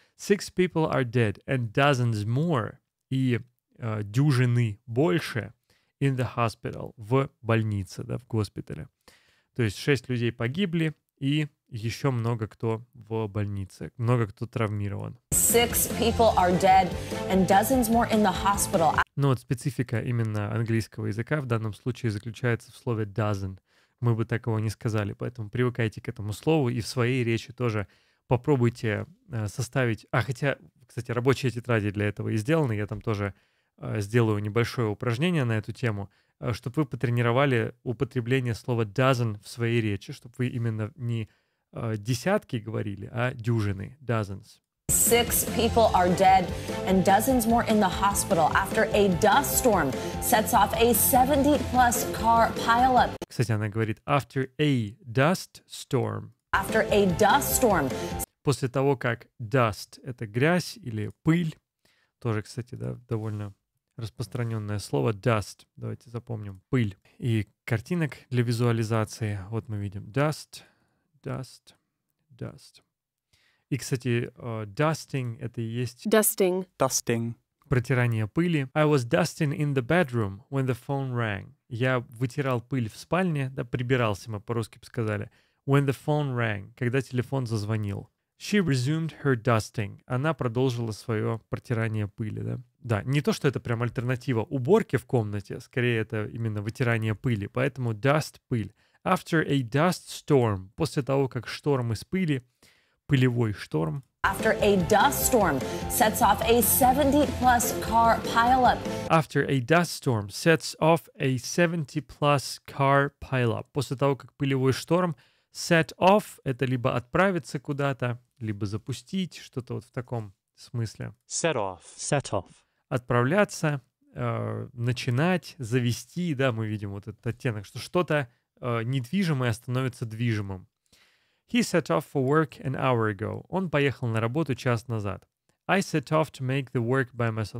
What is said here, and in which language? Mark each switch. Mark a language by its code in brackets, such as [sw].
[en] Six people are dead and dozens more. [ru] И дюжины больше. [en] In the hospital, [ru] в больнице, да, в госпитале. То есть 6 людей погибли, и еще много кто в больнице, много кто травмирован. [en] Six people are dead and dozens more in the hospital. [ru] Ну вот специфика именно английского языка в данном случае заключается в слове dozen. Мы бы такого не сказали, поэтому привыкайте к этому слову и в своей речи тоже попробуйте составить... А хотя, кстати, рабочие тетради для этого и сделаны, я там тоже... сделаю небольшое упражнение на эту тему, чтобы вы потренировали употребление слова dozen в своей речи, чтобы вы именно не десятки говорили, а дюжины, dozens. [en] Six people are dead and dozens more in the hospital after a dust storm sets off a 70-plus car pileup. [ru] Кстати, она говорит [en] after a dust storm. After a dust storm. [ru] После того, как dust — это грязь или пыль, тоже, кстати, да, довольно... распространенное слово dust. Давайте запомним. Пыль. И картинок для визуализации. Вот мы видим dust, dust, dust. И, кстати, dusting — это и есть... [en] Dusting. Dusting. [ru] Протирание пыли. [en] I was dusting in the bedroom when the phone rang. [ru] Я вытирал пыль в спальне, да, прибирался, мы по-русски бы сказали. [en] When the phone rang. [ru] Когда телефон зазвонил. [en] She resumed her dusting. [ru] Она продолжила свое протирание пыли, да. Да, не то, что это прям альтернатива уборке в комнате, скорее это именно вытирание пыли, поэтому dust — пыль. [en] After a dust storm [ru] — после того, как шторм из пыли, пылевой шторм. [en] After a dust storm sets off a 70-plus car pileup. After a dust storm sets off a 70-plus car pileup. [ru] После того, как пылевой шторм set off — это либо отправиться куда-то, либо запустить, что-то вот в таком... в смысле? [en] Set off. Set off. [ru] Отправляться, начинать, завести. Да, мы видим вот этот оттенок, что что-то недвижимое становится движимым. [en] He set off for work an hour ago. [ru] Он поехал на работу час назад. [en] I set off to make the work by myself.